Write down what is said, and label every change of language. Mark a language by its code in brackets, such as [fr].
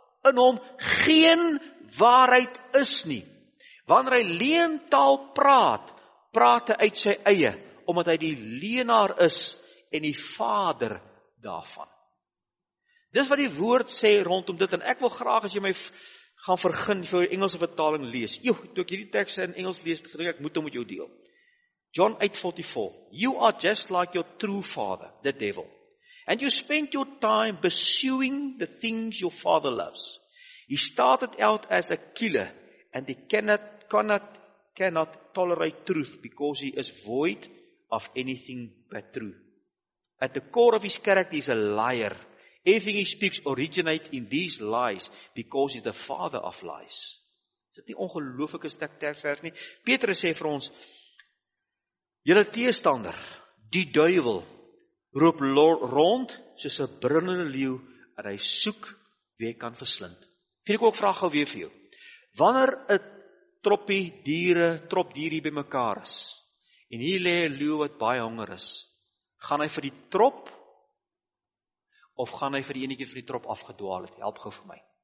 [af] in hom geen waarheid is nie, wanneer hy leentaal praat, praat hy uit sy eie, omdat hy die leenaar is, en die vader daarvan. Dis wat die woord sê rondom dit, en ek wil graag as jy my gaan vergun vir die Engelse vertaling lees. Toe ek hierdie tekste in Engels lees, gedink ek moet hom met jou deel. [en] John 8:44, you are just like your true father, the devil, and you spend your time pursuing the things your father loves. He started out as a killer, and he cannot tolerate truth, because he is void of anything but truth. At the core of his character is a liar. Everything he speaks originate in these lies, because he's the father of lies. [af] Is dit nie ongelooflike stuk tekvers nie? Petrus sê vir ons, julle teestander, die duivel, roep rond soos 'n brullende leeu, en hy soek wie hy kan verslind. Vind ek ook vraag gou weer vir jou. Wanneer 'n troppie diere, trop diere by mekaar is, en hier lê 'n leeu wat baie honger is, gaan hy vir die trop, of gaan hy vir die enigie van die trop afgedwaal het? Help gou vir my.